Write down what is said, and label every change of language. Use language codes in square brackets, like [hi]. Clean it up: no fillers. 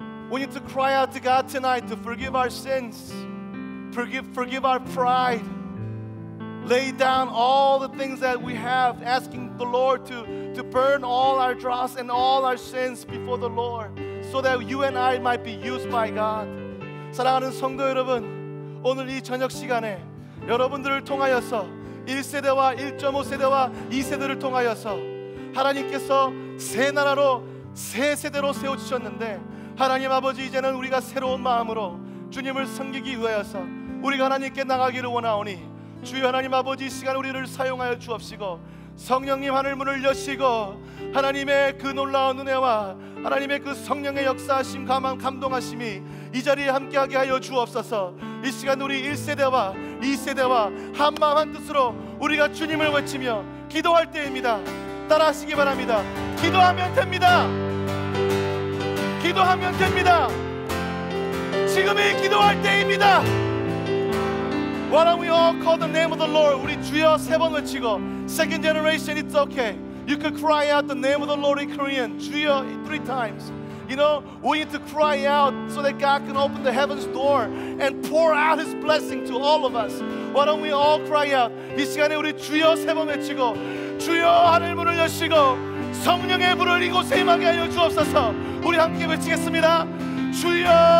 [en] We need to cry out to God tonight to forgive our sins, forgive our pride, lay down all the things that we have, asking the Lord to burn all our dross and all our sins before the Lord, so that you and I might be used by God. [ko] 사랑하는 성도 여러분, 오늘 이 저녁 시간에 여러분들을 통하여서 1세대와 1.5세대와 2세대를 통하여서 하나님께서 새 나라로 새 세대로 세워주셨는데, 하나님 아버지, 이제는 우리가 새로운 마음으로 주님을 섬기기 위하여서 우리가 하나님께 나가기를 원하오니, 주여 하나님 아버지, 이 시간 우리를 사용하여 주옵시고, 성령님 하늘문을 여시고 하나님의 그 놀라운 은혜와 하나님의 그 성령의 역사하심, 감안, 감동하심이 이 자리에 함께하게 하여 주옵소서. 이 시간 우리 1세대와 2세대와 한마음 한뜻으로 우리가 주님을 외치며 기도할 때입니다. 따라하시기 바랍니다. 기도하면 됩니다. 기도하면 됩니다. 지금이 기도할 때입니다. [en] Why don't we all call the name of the Lord? [ko] 우리 주여 세 번 외치고, [en] Second generation, it's okay. You could cry out the name of the Lord in Korean. 주여, three times. You know, we need to cry out so that God can open the heaven's door and pour out His blessing to all of us. Why don't we all cry out? [ko] 이 시간에 우리 주여 세 번 외치고, 주여 하늘 문을 여시고 성령의 불을 이곳에 임하게 하여 주옵소서. 우리 함께 외치겠습니다. 주여.